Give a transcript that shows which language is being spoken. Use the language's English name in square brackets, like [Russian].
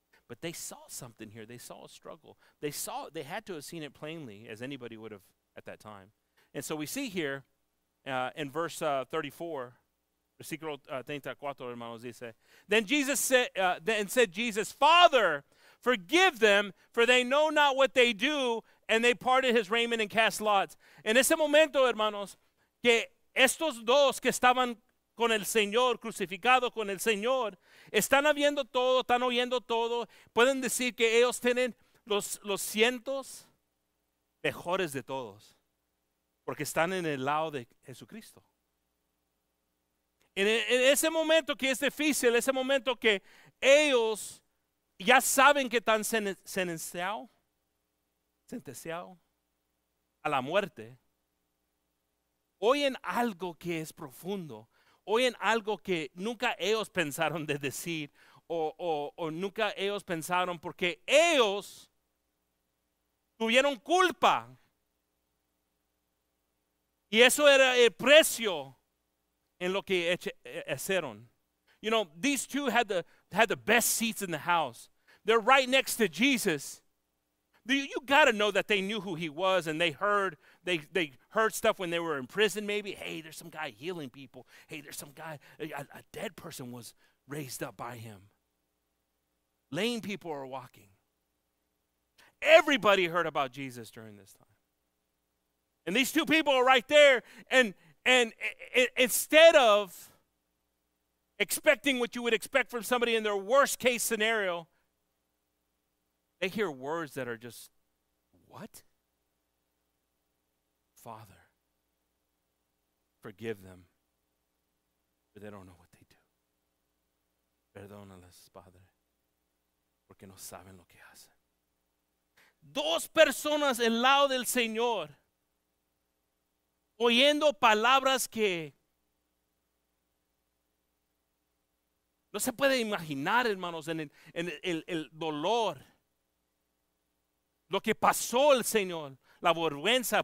[English] But they saw something here. They saw a struggle. They had to have seen it plainly, as anybody would have at that time. And so we see here in verse 34, [Spanish] Versículo 34, hermanos, dice. [English] Then Jesus said, Father, forgive them, for they know not what they do. And they parted his raiment and cast lots. [Spanish] En ese momento, hermanos, que estos dos que estaban con el Señor, crucificado con el Señor, están viendo todo, están oyendo todo. Pueden decir que ellos tienen los cientos mejores de todos, porque están en el lado de Jesucristo. En ese momento que es difícil, ese momento que ellos ya saben que están sentenciados a la muerte, oyen algo que es profundo, oyen algo que nunca ellos pensaron de decir, o nunca ellos pensaron, porque ellos tuvieron culpa. Y eso era el precio en lo que hicieron. [English] You know, these two had the best seats in the house. They're right next to Jesus. You got to know that they knew who he was, and they heard stuff when they were in prison, maybe. Hey, there's some guy healing people. Hey, there's some guy, a dead person was raised up by him. Lame people are walking. Everybody heard about Jesus during this time. And these two people are right there, And instead of expecting what you would expect from somebody in their worst case scenario, they hear words that are just, what? Father, forgive them, for they don't know what they do. [Spanish] Perdónales, Padre, porque no saben lo que hacen. Dos personas al lado del Señor, oyendo palabras que no se puede imaginar, hermanos, en el dolor, lo que pasó el Señor, la vergüenza.